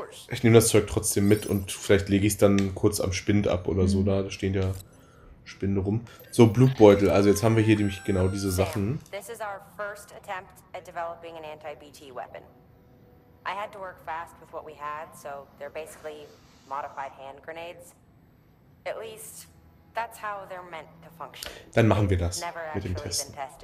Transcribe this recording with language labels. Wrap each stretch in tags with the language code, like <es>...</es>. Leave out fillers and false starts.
<de>Ich nehme das Zeug trotzdem mit und vielleicht lege ich es dann kurz am Spind ab oder so. Da stehen ja Spinde rum. So, Blutbeutel. Also jetzt haben wir hier nämlich genau diese Sachen.</de> <en>This is our first attempt at developing an anti-BT weapon. I had to work fast with what we had, so they're basically modified hand grenades. At least that's how they're meant to function.</en> <de>Dann machen wir das mit dem Testen.</de>